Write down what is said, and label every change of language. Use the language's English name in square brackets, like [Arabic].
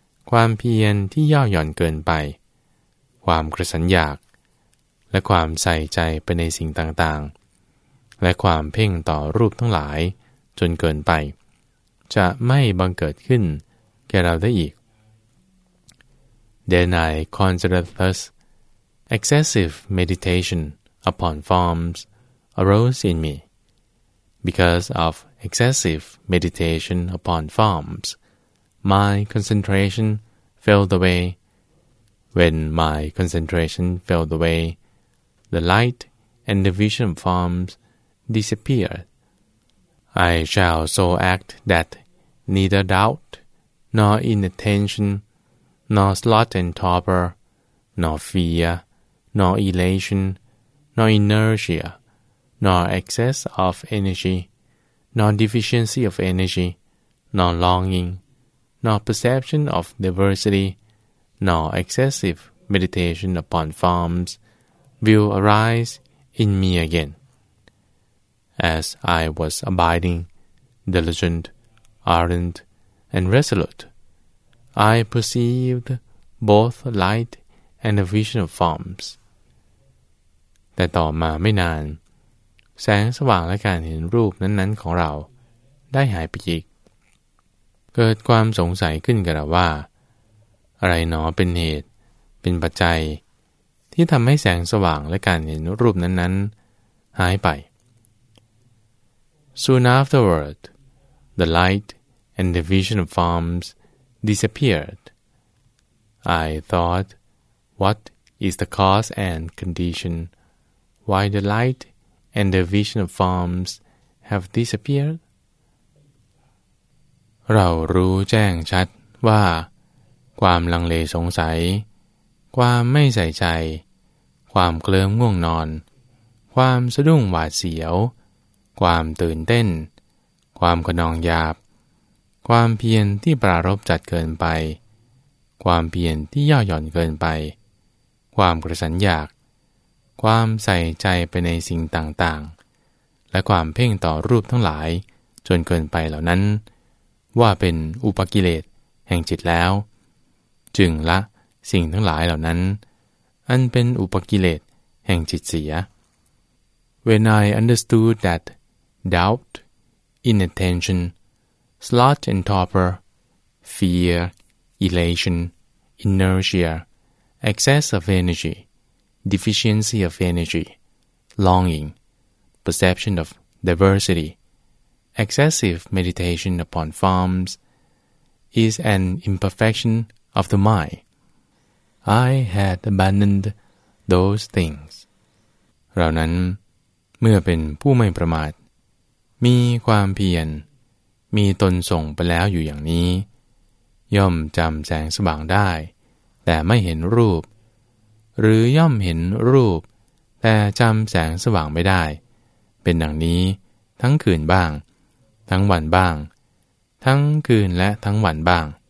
[Thai] ความเพียรที่ย่อหย่อนเกินไปความกระสันอยากและความใส่ใจไปในสิ่งต่างๆและความเพ่งต่อรูปทั้งหลายจนเกินไปจะไม่บังเกิดขึ้นแก่เราได้อีก [English] Then I considered thus, excessive meditation upon formsarose in me. Because of excessive meditation upon forms, my concentration failed away. When my concentration failed away, the light and the vision of forms disappeared. I shall so act that neither doubt, nor inattention, nor sloth and torpor, nor fear, nor elation, nor inertia,nor excess of energy, nor deficiency of energy, nor longing, nor perception of diversity, nor excessive meditation upon forms will arise in me again. As I was abiding, diligent, ardent, and resolute, I perceived both light and a vision of forms. [Thai] แต่ต่อมาไม่นานแสงสว่างและการเห็นรูปนั้นๆของเราได้หายไปอีกเกิดความสงสัยขึ้นกับเราว่าอะไรหนอเป็นเหตุเป็นปัจจัยที่ทำให้แสงสว่างและการเห็นรูปนั้นๆหายไป [English] Soon afterward, the light and the vision of forms disappeared. I thought, what is the cause and condition? Why the lightand the vision of forms have disappeared? [Thai] เรารู้แจ้งชัดว่าความลังเลสงสัยความไม่ใส่ใจความเคลิ้มง่วงนอนความสะดุ้งหวาดเสียวความตื่นเต้นความขนองหยาบความเพียรที่ปรารภจัดเกินไป ความเพียรที่ย่อหย่อนเกินไปความกระสันอยากความใส่ใจไปในสิ่งต่างๆและความเพ่งต่อรูปทั้งหลายจนเกินไปเหล่านั้นว่าเป็นอุปกิเลสแห่งจิตแล้วจึงละสิ่งทั้งหลายเหล่านั้นอันเป็นอุปกิเลสแห่งจิตเสีย [English] When I understood that doubt, inattention, sloth and torpor, fear, elation, inertia, excess of energyDeficiency of energy, longing, perception of diversity, excessive meditation upon forms, is an imperfection of the mind. I had abandoned those things. [Thai] เรานั้นเมื่อเป็นผู้ไม่ประมาทมีความเพียรมีตนส่งไปแล้วอยู่อย่างนี้ย่อมจำแสงสว่างได้แต่ไม่เห็นรูปหรือย่อมเห็นรูปแต่จำแสงสว่างไม่ได้เป็นดังนี้ทั้งคืนบ้างทั้งวันบ้างทั้งคืนและทั้งวันบ้าง